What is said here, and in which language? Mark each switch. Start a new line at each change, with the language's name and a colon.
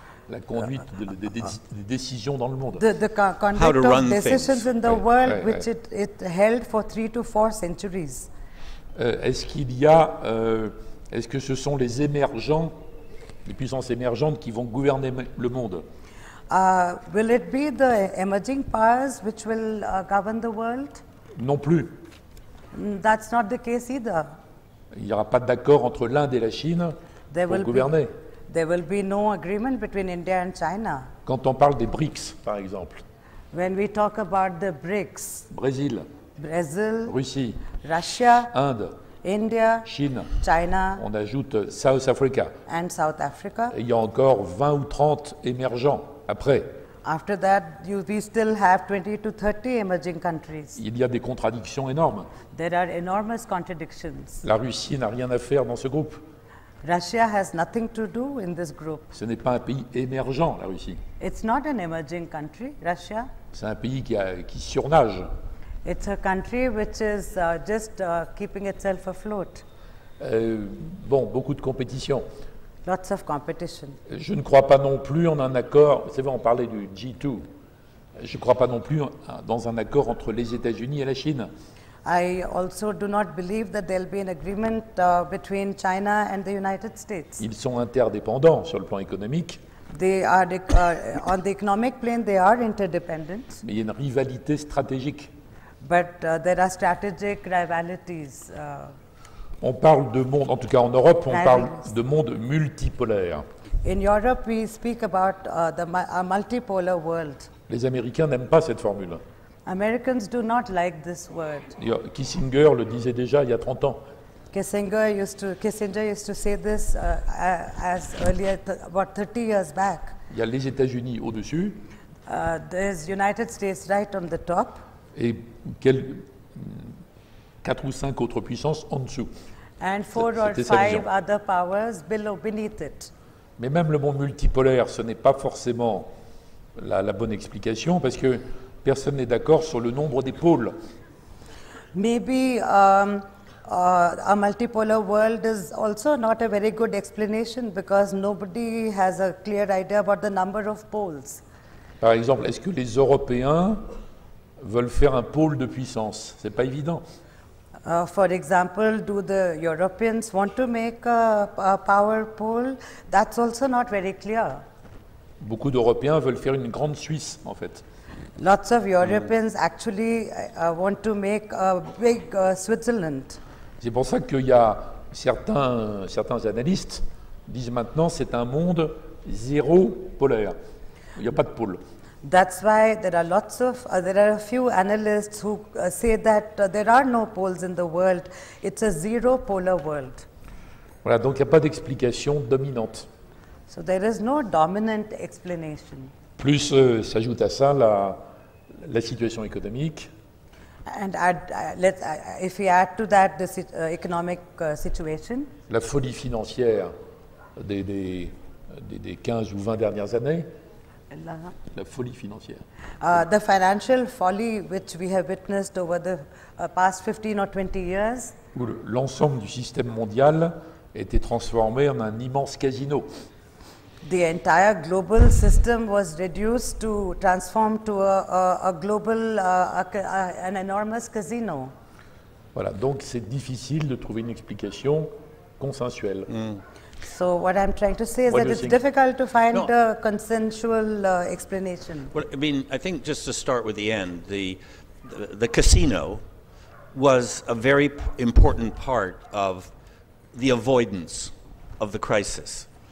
French: La conduite des décisions dans le monde.
English: The conduct of decisions things. In the world, which it held for 3 to 4 centuries.
French: Est-ce que ce sont les émergents, les puissances émergentes, qui vont gouverner le monde?
English: Will it be the emerging powers which will govern the world?
French: Non plus.
English: That's not the case either.
French: Il n'y aura pas d'accord entre l'Inde et la Chine pour gouverner.
English: There will be no agreement between India and China.
French: Quand on parle des BRICS, par exemple.
English: When we talk about the BRICS.
French: Brésil. Russie.
English: Russia.
French: Inde.
English: India.
French: Chine.
English: China.
French: On ajoute South Africa.
English: And South Africa.
French: Et il y a encore 20 ou 30 émergents après.
English: After that, we still have 20 to 30 emerging countries.
French: Il y a des contradictions énormes.
English: There are enormous contradictions.
French: La Russie n'a rien à faire dans ce groupe.
English: Russia has nothing to do in this group.
French: Ce n'est pas un pays émergent, la Russie.
English: It's not an emerging country, Russia.
French: C'est un pays qui surnage.
English: It's a country which is keeping itself afloat.
French: Beaucoup de compétition.
English: Lots of competition.
French: Je ne crois pas non plus en un accord, c'est vrai, on parlait du G2. Je ne crois pas non plus dans un accord entre les États-Unis et la Chine.
English: I also do not believe that there will be an agreement between China and the United States.
French: Ils sont interdépendants sur le plan économique.
English: They are on the economic plane, they are interdependent.
French: Mais il y a une rivalité stratégique.
English: But there are strategic rivalities.
French: On parle de monde, en tout cas en Europe, on parle de monde multipolaire.
English: In Europe, we speak about a multipolar world.
French: Les Américains n'aiment pas cette formule.
English: Americans do not like this word.
French: Kissinger le disait déjà il y a 30 ans.
English: Kissinger used to say this as early as about 30 years back.
French: Il y a les États-Unis au-dessus.
English: There's United States right on the top.
French: Et quelques 4 ou 5 autres puissances en dessous.
English: And 4 or 5 other powers below beneath it.
French: Mais même le mot multipolaire, ce n'est pas forcément la bonne explication parce que personne n'est d'accord sur le nombre des pôles.
English: Maybe a multipolar world is also not a very good explanation because nobody has a clear idea about the number of poles.
French: Par exemple, est-ce que les Européens veulent faire un pôle de puissance? C'est pas évident.
English: For example, do the Europeans want to make a power pole? That's also not very clear.
French: Beaucoup d'Européens veulent faire une grande Suisse, en fait.
English: Lots of Europeans actually want to make a big Switzerland.
French: C'est pour ça qu'il y a certains analystes disent maintenant c'est un monde zéro polaire. Il n'y a pas de pôle.
English: That's why there are a few analysts who say that there are no poles in the world. It's a zero polar world.
French: Voilà, donc il n'y a pas d'explication dominante.
English: So there is no dominant explanation.
French: Plus s'ajoute à ça la situation économique.
English: And if we add to that the economic situation.
French: La folie financière des 15 ou 20 dernières années. La folie financière.
English: The financial folly which we have witnessed over the past 15 or 20 years.
French: Où l'ensemble du système mondial a été transformé en un immense casino.
English: The entire global system was reduced to transform to a global, an enormous casino.
French: Voilà, donc c'est difficile de trouver une explication consensuelle. Mm.
English: So what I'm trying to say is that it's difficult to find a consensual explanation. Well, I mean, I think just to start with the end, the casino was a very important part of the avoidance of the crisis.